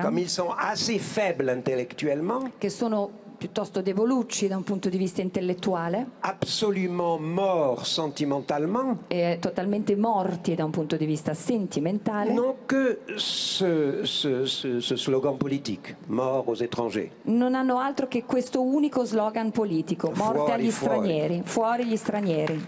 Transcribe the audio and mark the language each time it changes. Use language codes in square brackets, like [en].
[fr] Comme ils sont assez faibles intellectuellement. [it] Che sono piuttosto debolucci da un punto di vista intellettuale. [fr] Absolument morts sentimentalement. [it] E totalmente morti da un punto di vista sentimentale. [fr] Non que ce slogan politique, mort aux étrangers. [it] Non hanno altro che questo unico slogan politico, morte fuori, agli stranieri, fuori gli stranieri.